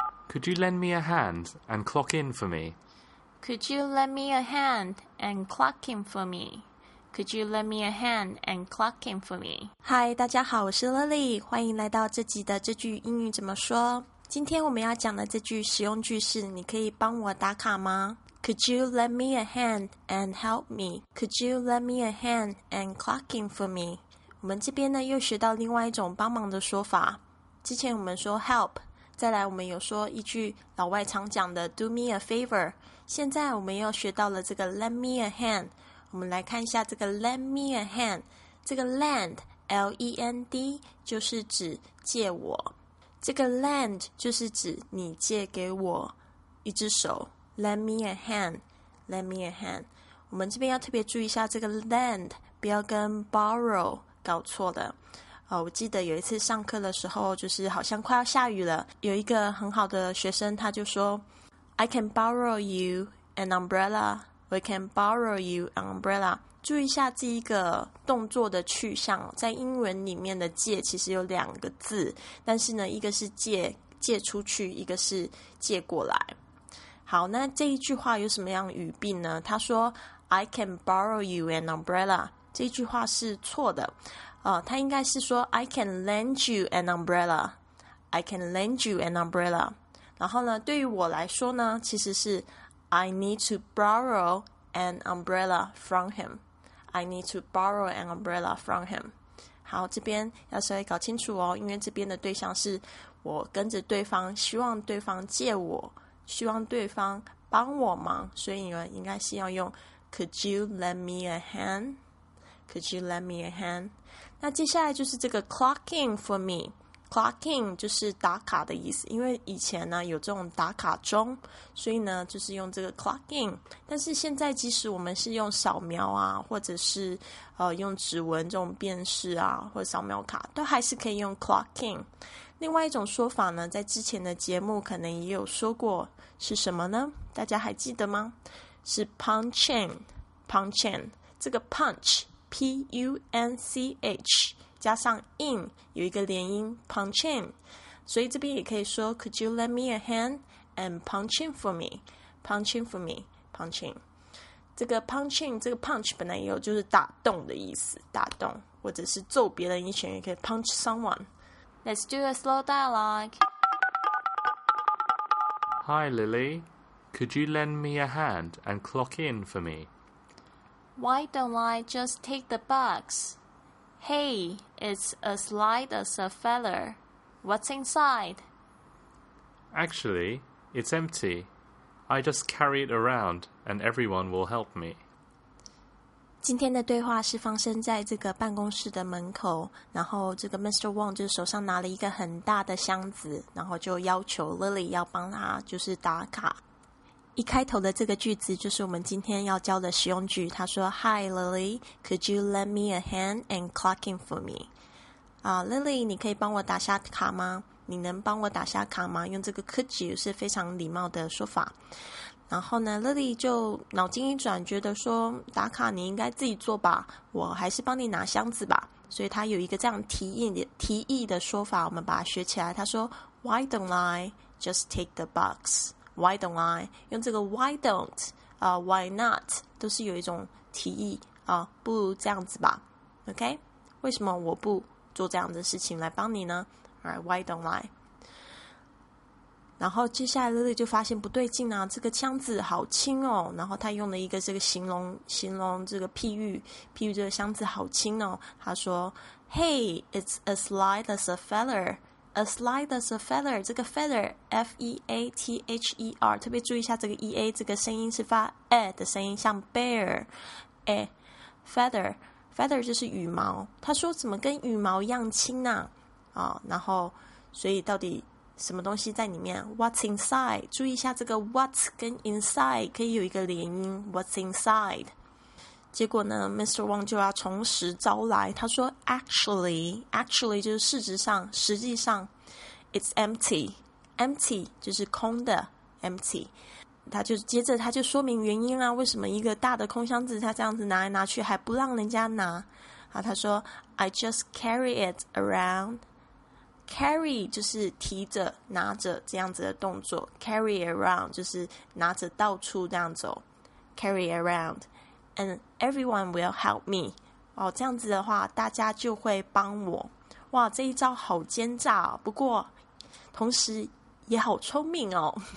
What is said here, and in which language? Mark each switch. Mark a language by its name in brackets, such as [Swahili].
[English] Could you lend me a hand and clock in for me? Could you lend me a hand and clock in for me? Could you lend me a hand and clock in for me? [Chinese] Hi, 大家好，我是 Lily， 欢迎来到这集的这句英语怎么说。今天我们要讲的这句实用句是，你可以帮我打卡吗？ [English] Could you lend me a hand and help me? Could you lend me a hand and clock in for me? [Chinese] 我们这边呢又学到另外一种帮忙的说法。之前我们说 help， 再来我们有说一句老外常讲的 [English] do me a favor。 [Chinese] 现在我们又学到了这个 lend me a hand。我们来看一下这个 lend me a hand， 这个 lend L-E-N-D 就是指借我。这个 lend 就是指你借给我一只手。 [English] Lend me a hand, lend me a hand. [Chinese] 我们这边要特别注意一下这个 lend， 不要跟 borrow 搞错了。我记得有一次上课的时候，就是好像快要下雨了，有一个很好的学生他就说 ， [English] I can borrow you an umbrella. We can borrow you an umbrella. [Chinese] 注意一下这一个动作的去向，在英文里面的借其实有两个字，但是呢，一个是借出去，一个是借过来。好，那这一句话有什么样语病呢？他说 [English] I can borrow you an umbrella， [Chinese] 这一句话是错的。他应该是说 [English] I can lend you an umbrella， I can lend you an umbrella。 [Chinese] 然后呢，对于我来说呢，其实是 [English] I need to borrow an umbrella from him， I need to borrow an umbrella from him。 [Chinese] 好，这边要稍微搞清楚哦，因为这边的对象是我跟着对方，希望对方借我，希望对方帮我忙，所以你们应该是要用 [English] Could you lend me a hand? Could you lend me a hand? [Chinese] 那接下来就是这个 clock in for me， clock in 就是打卡的意思，因为以前呢有这种打卡钟，所以呢就是用这个 clock in。但是现在即使我们是用扫描啊，或者是用指纹这种辨识啊，或者扫描卡，都还是可以用 clock in。另外一种说法呢，在之前的节目可能也有说过，是什么呢？大家还记得吗？是 [English] punch in， punch in。这个 punch P-U-N-C-H 加上 in [Chinese] 有一个连音 [English] punch in， [Chinese] 所以这边也可以说 [English] Could you lend me a hand and punch in for me， punch in for me， punch in。 [Chinese] 这个 punch in， 这个 punch 本来也有就是打洞的意思，打洞或者是揍别人一拳，也可以 punch someone。 [English] Let's do a slow dialogue. Hi, Lily. Could you lend me a hand and clock in for me? Why don't I just take the bucks? Hey, it's as light as a feather. What's inside? Actually, it's empty. I just carry it around and everyone will help me. [Chinese] 今天的对话是发生在这个办公室的门口，然后这个 Mr. Wong 就手上拿了一个很大的箱子，然后就要求 Lily 要帮他就是打卡。一开头的这个句子就是我们今天要教的实用句，他说 [English] Hi Lily, could you lend me a hand and clock in for me? [Chinese] Lily, 你可以帮我打下卡吗？你能帮我打下卡吗？用这个 [English] could you [Chinese] 是非常礼貌的说法。然后呢 ，Lily 就脑筋一转，觉得说打卡你应该自己做吧，我还是帮你拿箱子吧。所以他有一个这样提议的说法，我们把它学起来。他说 [English] ，Why don't I just take the box? Why don't I [Chinese] 用这个 Why don't 啊、Why not 都是有一种提议啊、不如这样子吧 ，OK？为什么我不做这样的事情来帮你呢 ？ [English] Alright, Why don't I？ [Chinese] 然后接下来 Lily 就发现不对劲啊，这个箱子好轻哦，然后他用了一个这个形容这个譬喻这个箱子好轻哦。 [English] 他说 Hey, it's as light as a feather. As light as a feather. [Chinese] 这个 feather F-E-A-T-H-E-R 特别注意一下这个 E-A， 这个声音是发 A 的声音，像 bear A feather， feather 就是羽毛。他说怎么跟羽毛一样轻啊、然后所以到底什么东西在里面 ？ [English] What's inside？ [Chinese] 注意一下这个 what 跟 inside 可以有一个连音。 [English] What's inside？ [Chinese] 结果呢 [English] ，Mr. [Chinese] Wong 就要重拾招来。他说 ，Actually，actually 就是事实上，实际上 ， [English] It's empty， [Chinese] empty 就是空的 ，empty。他就接着他就说明原因啊，为什么一个大的空箱子他这样子拿来拿去还不让人家拿？ [English] 好，他说 I just carry it around. [Chinese] Carry 就是提着拿着这样子的动作， [English] carry around [Chinese] 就是拿着到处这样走， carry around. [English] And everyone will help me. [Chinese] 哦，这样子的话大家就会帮我。哇，这一招好奸诈哦，不过同时也好聪明哦。